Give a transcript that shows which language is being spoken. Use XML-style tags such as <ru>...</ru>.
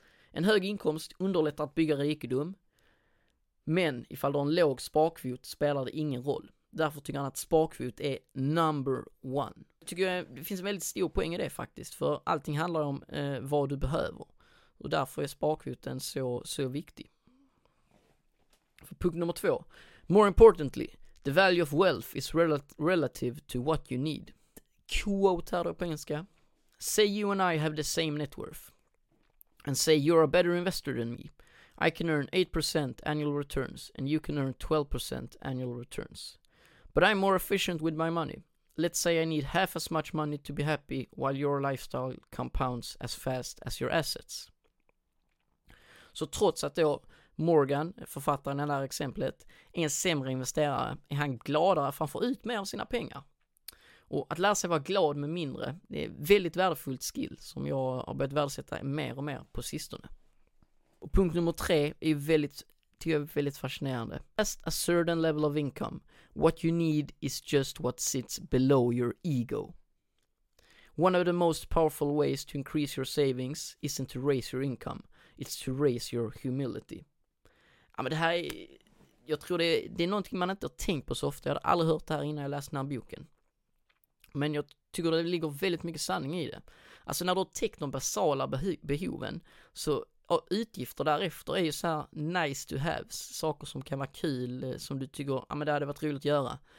<sv>En hög inkomst underlättar att bygga rikedom, men ifall du har en låg sparkvot spelar det ingen roll. Därför tycker han att sparkvot är</sv> <en>number one.</en> <sv>Jag tycker det finns en väldigt stor poäng i det faktiskt, för allting handlar om vad du behöver. Och därför är sparkvoten så viktig. För punkt nummer två.</sv> <en>More importantly, the value of wealth is relative to what you need.</en> <sv>Quote här på engelska.</sv> <en>Say you and I have the same net worth. And say you're a better investor than me. I can earn 8% annual returns and you can earn 12% annual returns. But I'm more efficient with my money. Let's say I need half as much money to be happy while your lifestyle compounds as fast as your assets.</en> <sv>Så trots att då Morgan, författaren i det här exemplet, är en sämre investerare, är han gladare för att han får ut mer av sina pengar. Och att lära sig vara glad med mindre, det är ett väldigt värdefullt skill som jag har börjat värdesätta mer och mer på sistone. Och punkt nummer tre är väldigt, tycker jag är väldigt fascinerande.</sv> <en>Just a certain level of income. What you need is just what sits below your ego. One of the most powerful ways to increase your savings isn't to raise your income. It's to raise your humility.</en> <sv>Ja, men det här är, jag tror det är någonting man inte har tänkt på så ofta. Jag hade aldrig hört det här innan jag läste den här boken. Men jag tycker det ligger väldigt mycket sanning i det. Alltså när du har täckt de basala behoven så... Och utgifter därefter är ju så här</sv> <en>nice to have,</en> <sv>saker som kan vara kul, som du tycker, ja men det hade varit roligt att göra.</sv>